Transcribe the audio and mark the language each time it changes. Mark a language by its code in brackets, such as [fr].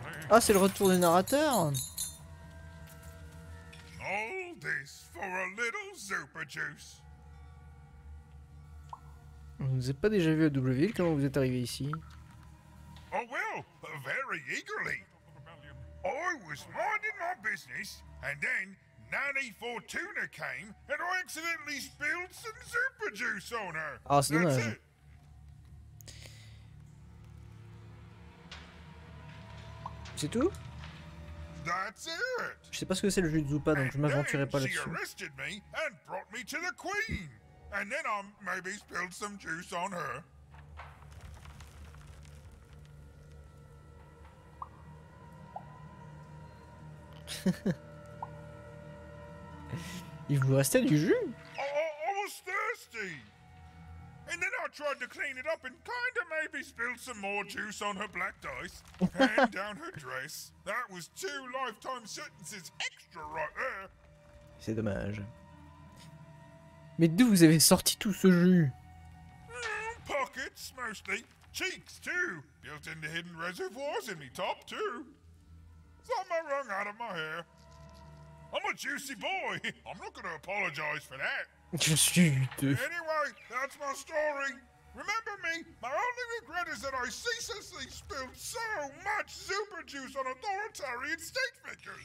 [fr] Ah, c'est le retour du narrateur. [en] All this for a little super juice. [fr] Vous ne vous êtes pas déjà vu à Doubleville? Comment vous êtes arrivé ici? [en] Oh well, very eagerly. I was minding my business, and then Nanny Fortuna came, and I accidentally spilled some super juice on her. [fr] Ah, c'est dommage. C'est tout? [en] That's it. [fr] Je sais pas ce que c'est le jeu de Zupa, donc je m'aventurerai pas là-dessus. [en] She arrested me and brought me to the queen. And then I maybe spilled some juice on her. [fr] Il vous restait du jus? [en] I was thirsty. And then I I tried to clean it up and kinda maybe spilled some more juice on her black dice and down her dress. That was two lifetime sentences extra right there. [fr] C'est dommage. Mais d'où vous avez sorti tout ce jus? [en] Pockets, mostly. Cheeks, too. Built into hidden reservoirs in me top, too. Something wrong out of my hair. I'm a juicy boy. I'm not gonna apologize for that. [fr] Je suis juteux. [en] Anyway, that's my story. Remember me, my only regret is that I ceaselessly spilled so much super juice on authoritarian state figures.